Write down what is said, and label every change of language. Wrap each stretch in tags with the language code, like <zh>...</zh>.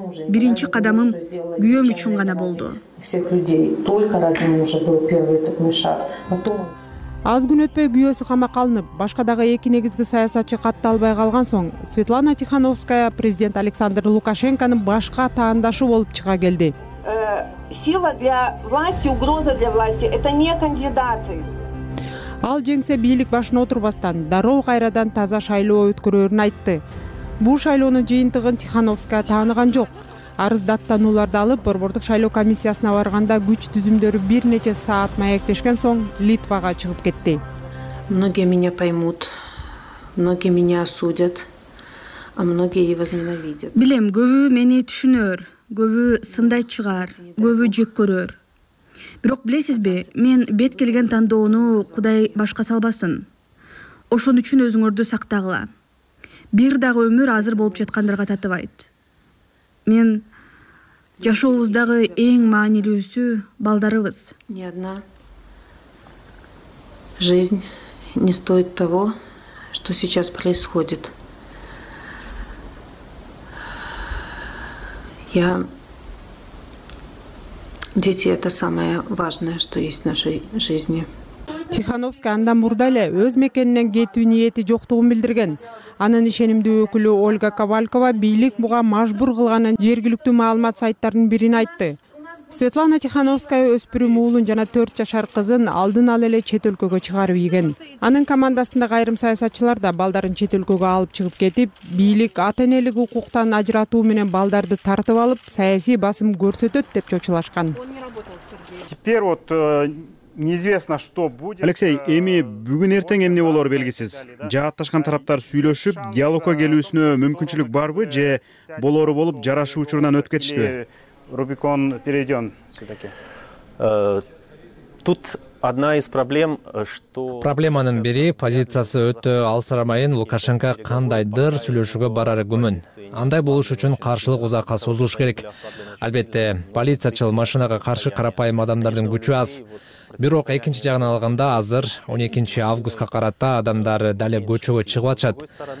<ky>Биринчи кадамым күйөөм үчүн гана болду. Аз күн өтпөй күйөөсү камакка алынып, башка дагы эки негизги саясатчы катталбай калган соң, Светлана Тихановская президент Александр Лукашенконун башка таандашы болуп чыга келди.</ky> <ru>Сила для власти, угроза для власти – это не кандидаты.</ru> <ky>Ал жеңсе бийлик башына отурбастан, дароо кайрадан таза шайлоо өткөрөрүн айтты. Бул шайлоонун жыйынтыгын Тихановская тааныган жок. Арыздаттанууларды алып, борбордук шайлоо комиссиясына барганда күч түзүмдөрү бир нече саат маектешкен соң Литвага чыгып кетти.</ky> <ru>Многие меня поймут, многие меня осудят, а многие и возненавидят.</ru> <ky>Билем, көбү мени түшүнөр, көбү сындай чыгар, көбү жек көрөр. Бирок билесизби, мен бет келген тандоону Кудай башка салбасын. Ошон үчүн өзүңөрдү сактагыла. Бир дагы өмүр азыр болуп жаткандарга татыбайт. Мен жашообуздагы эң маанилүүсү балдарыбыз.</ky> <ru>Ни одна жизнь не стоит того, что сейчас происходит. Я дети это самое важное, что есть в нашей жизни.</ru> <ky>Тихановский андан мурда эле өз мекенинен кетүү ниети жоктугун билдирген. Анын ишенимдүү өкүлү Ольга Ковалькова бийлик буга мажбур кылганын жергиликтүү маалымат сайттарынын бирин айтты. Светлана Тихановская өспүрүм уулун жана 4 жашар кызын алдын ала эле чет өлкөгө чыгарып ийген. Анын командасында айрым саясатчылар да балдарын чет өлкөгө алып чыгып кетип, бийлик ата-энелик укуктан ажыратуу менен балдарды тартып алып, саясий басым көрсөтөт деп чочулашкан.</ky> <ru>Теперь вот неизвестно, что будет.</ru> <ky>Алексей, эми бүгүн эртең эмне болор белгисиз. Жааташкан тараптар сүйлөшүп, диалогко келүүсүнө мүмкүнчүлүк барбы же болору болуп жарашуу учурунан өтүп кетишти?</ky> <ru>Рубикон перейден все-таки. Тут одна из проблем, что...</ru> <ky>Проблеманын бири позициясы өтө алсырамайын Лукашенко кандайдыр сүйлөшүүгө барары күмөн. Андай болуш үчүн каршылык узакка созулуш керек. Албетте, полициячыл машинага каршы карапайым адамдардын күчү аз. Бирок экинчи жагын алганда азыр 12 августка карата адамдар дале көчөгө чыгып атышат.</ky>